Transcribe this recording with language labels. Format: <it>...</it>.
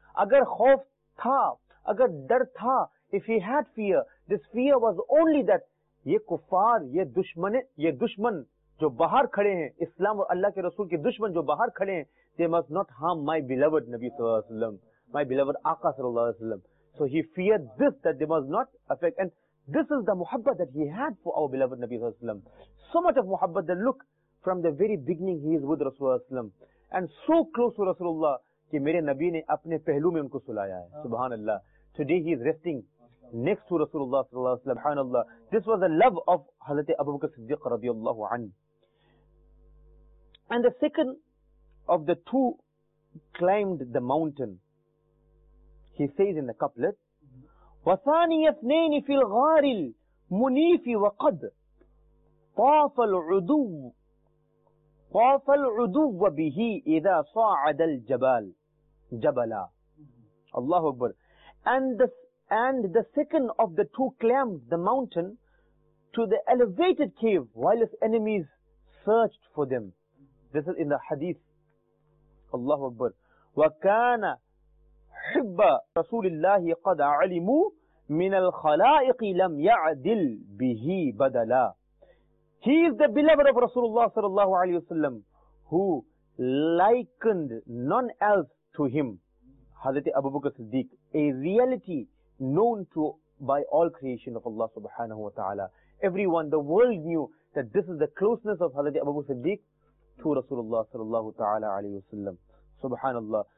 <ur>Agar khauf tha, agar dar tha,</ur> <en>if he had fear, this fear was only that,</en> <ur>ye kuffar, ye dushman, جو باہر کھڑے ہیں, اسلام اور اللہ کے رسول کے دشمن جو باہر کھڑے ہیں,</ur> <en>they must not harm my beloved</en> <ur>نبی صلی اللہ علیہ وسلم,</ur> <en>my beloved</en> <ur>آقا صلی اللہ علیہ وسلم.</ur> <en>So he feared this, that they must not affect, and this is the محبت that he had for our beloved نبی صلی اللہ علیہ وسلم. So much of محبت that look, from the very beginning he is with رسول اللہ علیہ وسلم and so close to رسول اللہ</en> <ur>کہ میرے نبی نے اپنے پہلو میں ان کو سلایا ہے.</ur> <ar>سبحان اللہ.</ar> <en>Today he is resting next to رسول اللہ صلی اللہ علیہ وسلم.</en> <ar>سبحان اللہ.</ar> <en>This was the love of حضرت ابو بکر صدیق رضی اللہ عنہ. And the second of the two climbed the mountain.</en> <ar>He says in the couplet, وَثَانِيَ اثْنَيْنِ فِي الْغَارِ الْمُنِيفِ وَقَدْ طَافَ الْعُدُوَّ بِهِ إِذَا صَاعَدَ الْجَبَالِ جَبَلَا. Allahu Akbar.</ar> <en>And the second of the two climbed the mountain to the elevated cave while his enemies searched for them. This is in the hadith.</en> <ar>Allahu Akbar. وَكَانَ حِبَّ رَسُولِ اللَّهِ قَدْ عَلِمُوا من الخلائق لم يعدل به بدلا.</ar> <en>He is the beloved of Rasulullah sallallahu alayhi wa sallam, who likened none else to him, Hazrat Abu Bakr Siddiq, a reality known to by all creation of Allah subhanahu wa ta'ala. Everyone, the world knew that this is the closeness of Hazrat Abu Bakr Siddiq to Rasulullah sallallahu ta'ala alayhi wa sallam. Subhanallah.</en>